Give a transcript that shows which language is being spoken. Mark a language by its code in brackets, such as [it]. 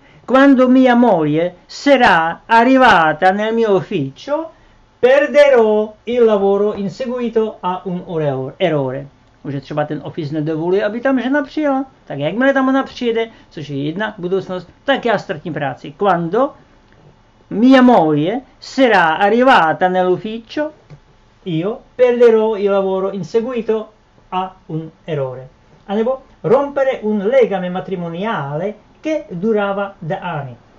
[it] Quando mia moglie sarà arrivata nel mio ufficio, perderò il lavoro in seguito a un errore. [cs] Může třeba ten office nedovolí, aby tam žena přijela. Tak jakmile tam ona přijede, což je jedna budoucnost, tak já ztratím práci. [it] Quando mia moglie sarà arrivata nell'ufficio, io perderò il lavoro in seguito a un errore. [cs] A nebo [it] rompere un legame matrimoniale che durava da anni.